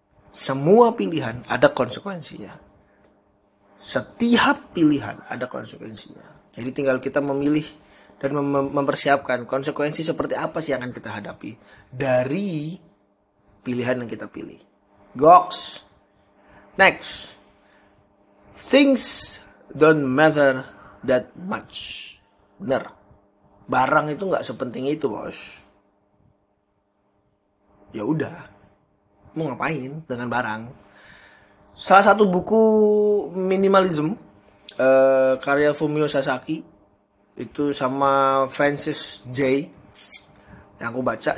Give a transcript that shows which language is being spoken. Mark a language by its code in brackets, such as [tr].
[id] Semua pilihan ada konsekuensinya. Setiap pilihan ada konsekuensinya. Jadi tinggal kita memilih dan mempersiapkan konsekuensi seperti apa sih yang akan kita hadapi dari pilihan yang kita pilih. Goks. Next. [en] things don't matter that much. [id] Benar. Barang itu enggak sepenting itu, Bos. Ya udah. Mau ngapain dengan barang? Salah satu buku minimalism karya Fumio Sasaki itu sama Francis J yang aku baca.